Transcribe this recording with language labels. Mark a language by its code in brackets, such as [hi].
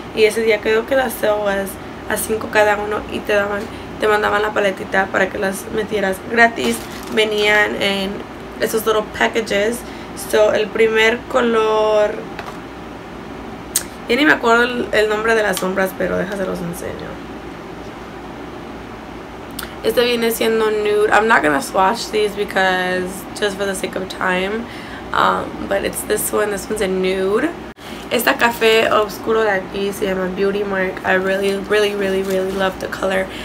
[es] Y ese día creo que la sale [en] was a 5 [es] cada uno. Y te mandaban la paletita para que las metieras gratis. Venían en esos little packages. So, el primer color, ya ni me acuerdo el nombre de las sombras, pero déjase los enseño. Este viene siendo nude. [en] I'm not gonna swatch these because just for the sake of time. But it's this one. This one's a nude. [es] Esta café oscuro de aquí se llama Beauty Mark. [en] I really, really, really, really love the color.